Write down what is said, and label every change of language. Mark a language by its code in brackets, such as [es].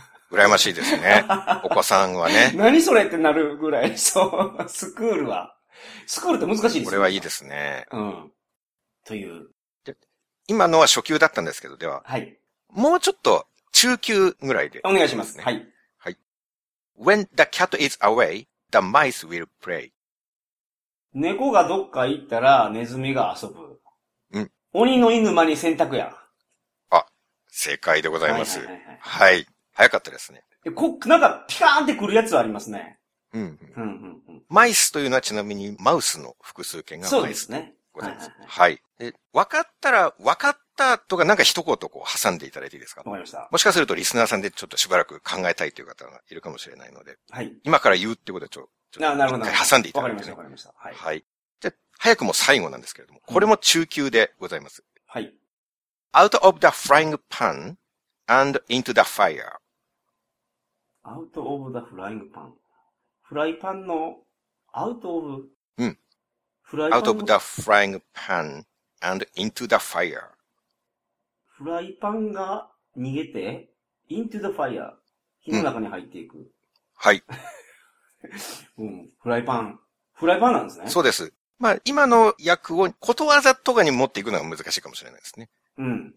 [ja] 羨ましいですね。お子さんはね。何それってなるぐらい、そう、スクールは。スクールって難しいですよ。これはいいですね。うん。という。今のは初級だったんですけど、では。はい。もうちょっと、中級ぐらいで。お願いします。はい。はい。 [en] When the cat is away, the mice will play. [ja] 猫がどっか行ったら、ネズミが遊ぶ。うん。鬼の犬間に洗濯や。あ、正解でございます。はい。早かったですね。なんか、ピカーンってくるやつはありますね。うん。うんうんうん。マイスというのはちなみに、マウスの複数形がマイス。そうですね。ございます。はい。で、わかったら、わかったとかなんか一言こう挟んでいただいていいですか？わかりました。もしかするとリスナーさんでちょっとしばらく考えたいという方がいるかもしれないので、はい、今から言うってことはちょっと一回挟んでいただいて、ね、なるほど。わかりました。わかりました。はい。はい。じゃあ早くも最後なんですけれども、これも中級でございます。うん、はい。 [en] Out of the frying pan and into the fire. Out of the frying pan. [ja] フライパンの [en] out of. [ja] うん。 [en] フライパン。Out of the frying pan and into the fire. [ja] フライパンが逃げて、 [en] into the fire、 [ja] 火の中に入っていく。うん、はい。うん、フライパン。フライパンなんですね。そうです。まあ、今の訳をことわざとかに持っていくのが難しいかもしれないですね。うん。